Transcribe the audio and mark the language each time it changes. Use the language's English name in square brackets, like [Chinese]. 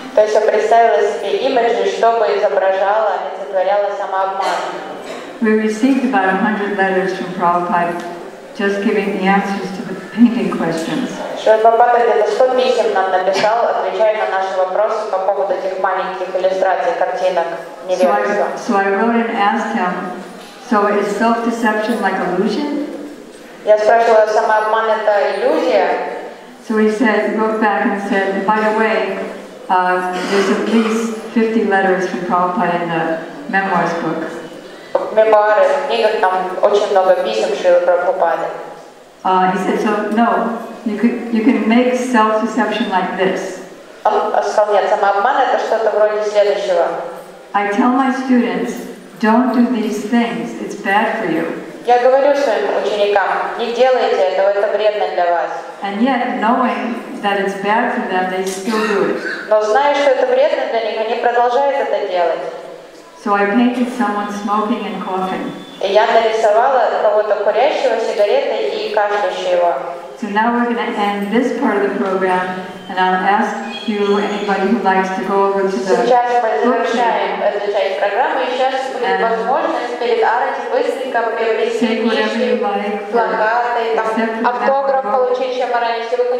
[Russian] То есть я представила себе имиджи, чтобы изображала, олицетворяла самообман. [English] We received about 100 letters from Prabhupada, just giving the answers to the painting questions. [Russian] Шрила Прабхупада где-то 100 писем нам написал, отвечая на наши вопросы по поводу этих маленьких иллюстраций, картинок. [English] So I wrote and asked him, so is self-deception like illusion? [Russian] Я спрашивала, самообман это иллюзия? [English] So he said, wrote back and said, by the way, there's at least 50 letters from Prabhupada in the memoirs book. [Russian] Мемуары, в книгах там очень много писем Шрилы Прабхупады. [English] He said, so no, you can make self-deception like this. [Russian] Он сказал, нет, самообман это что-то вроде следующего. [English] I tell my students, don't do these things, it's bad for you. [Russian] Я говорю своим ученикам, не делайте этого, это вредно для вас. [English] And yet, knowing that it's bad for them, they still do it. [Russian] Но зная, что это вредно для них, они продолжают это делать. [English] So I painted someone smoking and coughing. [Russian] И я нарисовала кого-то курящего сигареты и кашлящего. [English] So now we're going to end this part of the program, and I'll ask you, anybody who likes to go over to the [Russian] сейчас мы завершаем эту часть программы, и сейчас будет возможность перед Арати быстренько приобрести книжки, плакаты, автограф получить, чем раньше,